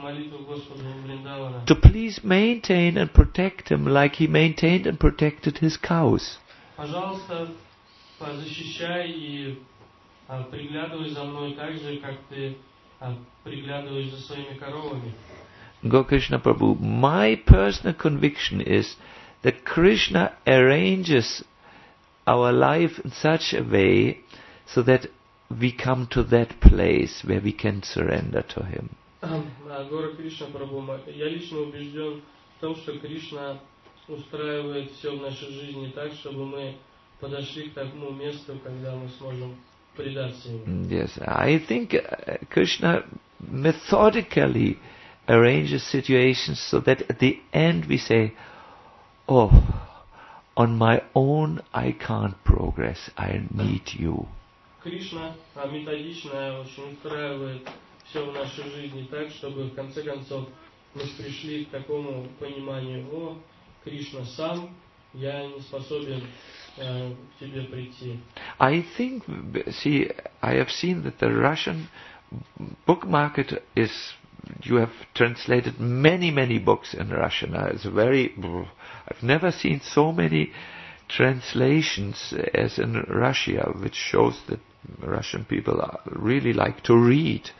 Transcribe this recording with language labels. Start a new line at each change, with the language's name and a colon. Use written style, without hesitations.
English: To please maintain and protect him like he maintained and protected his cows.
Russian: Пожалуйста, защищай и приглядывай за мной так же, как ты приглядываешь за своими коровами.
English: Gokrishna Prabhu, my personal conviction is that Krishna arranges our life in such a way so that we come to that place where we can surrender to him.
Russian: Гора Кришна Прабху, я лично убежден в том, что Кришна устраивает все в нашей жизни так, чтобы мы подошли к тому месту, когда мы сможем предаться ему.
English: Yes, I think Krishna methodically arranges situations so that at the end we say, oh, on my own I can't progress, I need you.
Russian: Кришна методично очень устраивает все в нашей жизни так, чтобы в конце концов мы пришли к такому пониманию: о, Кришна сам, я не способен к тебе прийти.
English: I think, see, I have seen that the Russian book market is, you have translated many, many books in Russian. It's very, I've never seen so many translations as in Russia, which shows that Russian people really like to read.